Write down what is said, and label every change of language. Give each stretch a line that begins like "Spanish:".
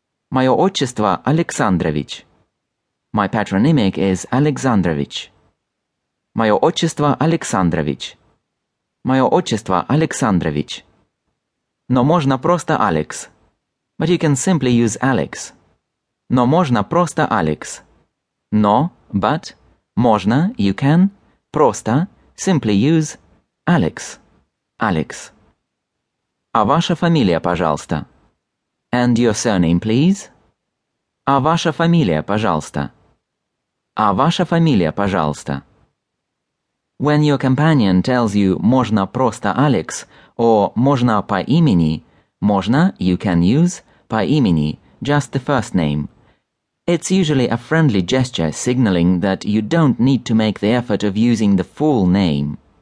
Russian: Мое отчество Александрович.
English: My patronymic is Александрович.
Russian: Мое отчество Александрович. Мое отчество Александрович. Но можно просто Алекс.
English: But you can simply use Alex.
Russian: Но можно просто Алекс. Но,
English: but,
Russian: можно,
English: you can,
Russian: просто,
English: simply use Alex. Alex.
Russian: А ваша фамилия, пожалуйста.
English: And your surname, please.
Russian: А ваша фамилия, пожалуйста. А ваша фамилия, пожалуйста.
English: When your companion tells you
Russian: «можно просто Alex»
English: or
Russian: «можно по имени»,
English: «можно» you can use
Russian: «по имени»,
English: just the first name. It's usually a friendly gesture signaling that you don't need to make the effort of using the full name.